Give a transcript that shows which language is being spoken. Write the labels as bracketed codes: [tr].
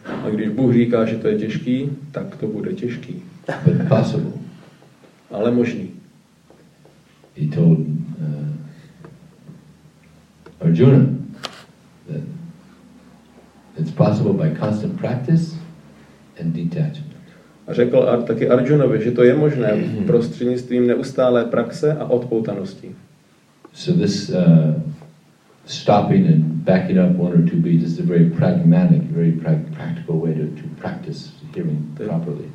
[cs] když Bůh říká, že to je těžký, tak to bude těžký. [en] Possible. [cs] Ale možný. [en] He told Arjuna that it's possible by constant practice and detachment. [cs] A řekl taky Arjunovi, že to je možné prostřednictvím neustálé praxe a odpoutanosti. [en] So this stopping and backing up one or two beats is a very pragmatic, very practical way to practice hearing properly.